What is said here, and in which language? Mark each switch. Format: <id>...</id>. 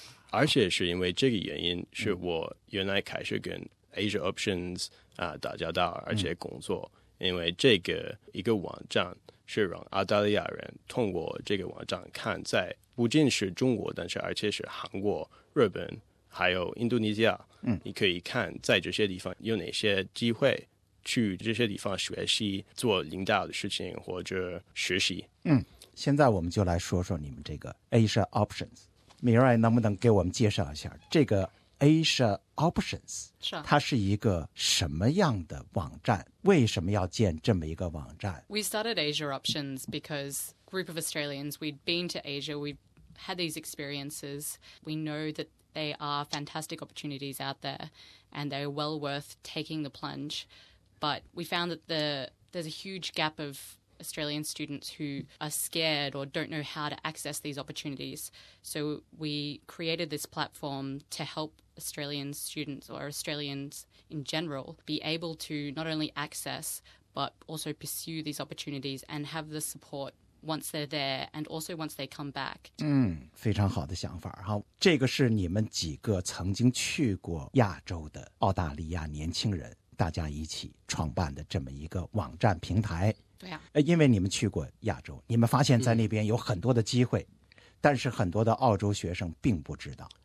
<zh>而且是因为这个原因，是我原来开始跟Asia Options 啊打交道，而且工作，因为这个一个网站是让澳大利亚人通过这个网站看，在不仅是中国，但是而且是韩国、日本还有印度尼西亚，你可以看在这些地方有哪些机会去这些地方学习做领导的事情或者实习。嗯，现在我们就来说说你们这个 Asia Options， 米瑞能不能给我们介绍一下这个？ Asia Options 是、它是一个什么样的网站？为什么要建这么一个网站？</zh> <en>We started Asia Options because group of Australians, we'd been to Asia, we've had these experiences. We know that they are fantastic opportunities out there and they're well worth taking the plunge. But we found that there's a huge gap of Australian students who are scared or don't know how to access these opportunities. So we created this platform to help Australian students or Australians in general be able to not only access but also pursue these opportunities and have the support once they're there and also once they come back.</en> <zh>嗯，非常好的想法。好，这个是你们几个曾经去过亚洲的澳大利亚年轻人大家一起创办的这么一个网站平台。对呀、因为你们去过亚洲，你们发现在那边有很多的机会、但是很多的澳洲学生并不知道。</zh>